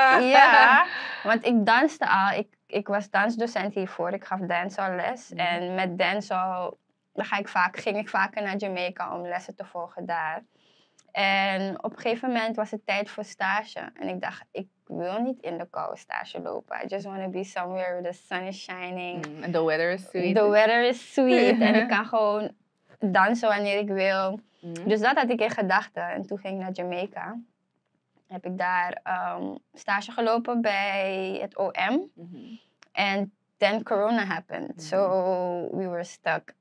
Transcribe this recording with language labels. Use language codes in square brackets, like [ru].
[nl] Ja, want ik danste al. Ik was dansdocent hiervoor. Ik gaf dancehall les. Mm-hmm. En met dancehall ging ik vaker naar Jamaica om lessen te volgen daar. En op een gegeven moment was het tijd voor stage. En ik dacht, ik wil niet in de koude stage lopen. [en] I just want to be somewhere where the sun is shining. And the weather is sweet. The weather is sweet. [nl] En ik kan gewoon dansen wanneer ik wil. Mm. Dus dat had ik in gedachten. En toen ging ik naar Jamaica. Heb ik daar stage gelopen bij het OM. [en] Mm-hmm. And then corona happened. Mm-hmm. So we were stuck.